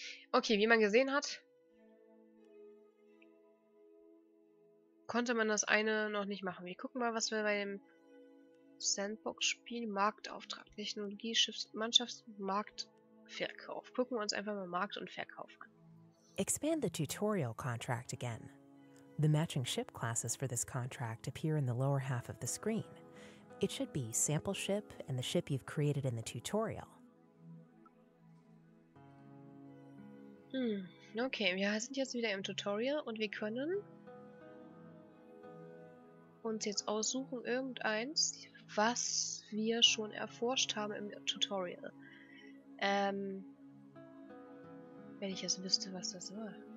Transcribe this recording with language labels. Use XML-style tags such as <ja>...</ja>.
<de>Okay, wie man gesehen hat, konnte man das eine noch nicht machen. Wir gucken mal, was wir bei dem Sandbox-Spiel Marktauftrag, Technologie, Schiffsmannschafts, Markt, Verkauf. Gucken wir uns einfach mal Markt und Verkauf an.</de> <en>Expand the tutorial contract again. The matching ship classes for this contract appear in the lower half of the screen. It should be sample ship and the ship you've created in the tutorial.</en> <de>Okay, wir sind jetzt wieder im Tutorial und wir können uns jetzt aussuchen irgendeins, was wir schon erforscht haben im Tutorial. Wenn ich jetzt wüsste, was das war.</de>